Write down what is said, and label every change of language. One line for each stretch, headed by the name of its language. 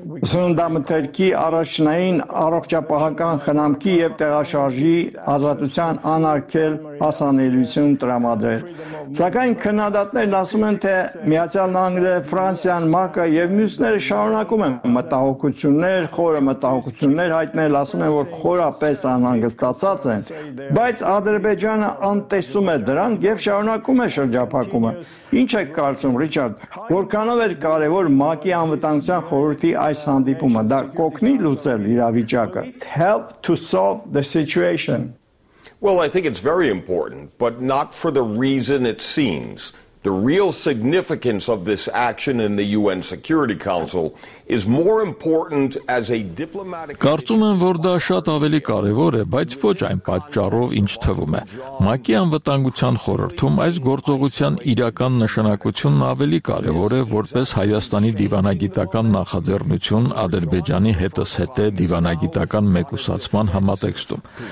Armenian: սննդամթերքի առաջնային առողջապահական խնամքի և տեղաշարժի ազատության անարգել հասանելիություն տրամադրել։ Սակայն քննադատներն ասում են, թե Միացյալ Նահանգները, Ֆրանսիան, ՄԱԿ-ը և մյուսները շարունակում են մտահոգություններ, խորը մտահոգություններ հայտնել, ասում են, որ խորապես անհանգստացած են, բայց Ադրբեջանը անտեսում է դրան և շարունակում է շրջափակումը։ Ինչ եք կարծում, Ռիչարդ, որքանով էր կարևոր ՄԱԿ-ի անվտանգության խորհրդի այս հանդիպումը, դա կօգնի լուծել իրավիճակը։
English: Help to solve the situation. Well, I think it's very important, but not for the reason it seems. The real significance of this action in the UN Security Council is more important as a diplomatic.
Armenian: Կարծում եմ, որ դա շատ ավելի կարևոր է, բայց ոչ այն պատճառով, ինչ թվում է։ ՄԱԿ-ի անվտանգության խորհրդում այս գործողության իրական նշանակությունն ավելի կարևոր է, որպես Հայաստանի դիվանագիտական նախաձեռնություն Ադրբեջանի հետզհետե դիվանագիտական մեկուսացման համատեքստում։